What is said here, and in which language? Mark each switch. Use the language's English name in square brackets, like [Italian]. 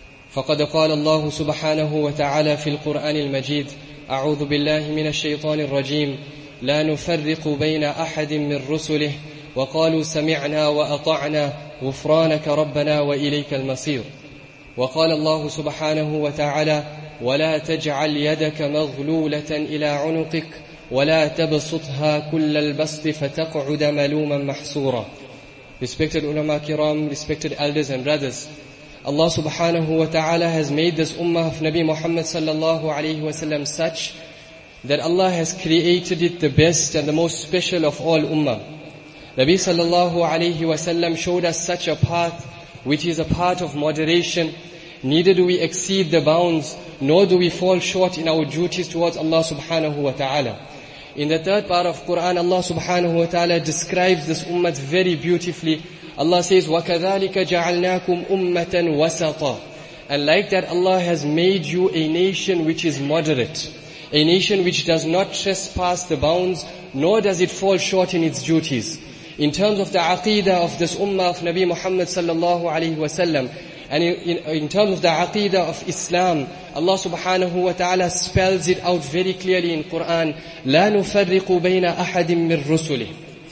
[Arabic] فقد قال الله سبحانه وتعالى في القرآن المجيد: أعوذ بالله من الشيطان الرجيم، لا نفرق بين أحد من رسله، وقالوا سمعنا وأطعنا، غفرانك ربنا وإليك المصير. وقال الله سبحانه وتعالى: ولا تجعل يدك مغلولة إلى عنقك، ولا تبسطها كل البسط فتقعد ملوما محصورا. [English] Respected ulama kiram, respected elders and brothers, Allah subhanahu wa ta'ala has made this ummah of Nabi Muhammad sallallahu alayhi wa sallam such that Allah has created it the best and the most special of all ummah. Nabi sallallahu alayhi wa sallam showed us such a path which is a path of moderation. Neither do we exceed the bounds, nor do we fall short in our duties towards Allah subhanahu wa ta'ala. In the third part of Quran, Allah subhanahu wa ta'ala describes this ummah very beautifully. Allah says, [Arabic] وَكَذَلِكَ جَعَلْنَاكُمْ أُمَّةً وَسَطًا. [English] And like that, Allah has made you a nation which is moderate, a nation which does not trespass the bounds, nor does it fall short in its duties. In terms of the aqeedah of this ummah of Nabi Muhammad sallallahu alayhi wa sallam, and in terms of the aqeedah of Islam, Allah subhanahu wa ta'ala spells it out very clearly in Quran, [Arabic] لَا نُفَرِّقُ بَيْنَ أَحَدٍ مِّن رُسُلِهِ.